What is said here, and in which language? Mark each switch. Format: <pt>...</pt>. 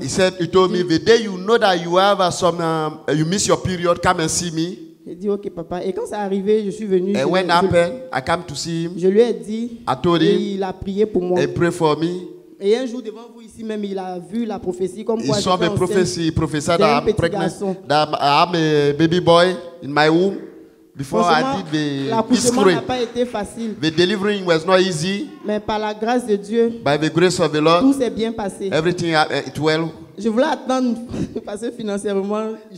<en>He said, he told me, the day you know that you have some, you miss your period, come and see me.</en> <fr>J'ai dit ok papa et quand c'est arrivé je suis venu.</fr> <en>And when happened, I came to see him.</en> <fr>Je lui ai dit.</fr> <en>I told him.</en> <fr>Et il a prié pour moi.</fr> <en>He prayed for me.</en> <fr>Et un jour devant vous ici même il a vu la prophétie comme quoi. Il</fr> <en>saw the prophecy, prophesied that I'm pregnant. That I have a baby boy in my womb. Before I did the</en> <fr>l'accouchement n'a pas été facile.</fr> <en>The delivering was not easy.</en> <fr>Mais par la grâce de Dieu.</fr> <en>By the grace of the Lord.</en> <fr>Tout s'est bien passé.</fr> <en>Everything it well.</en> <fr>Je voulais attendre parce que financièrement, je</fr>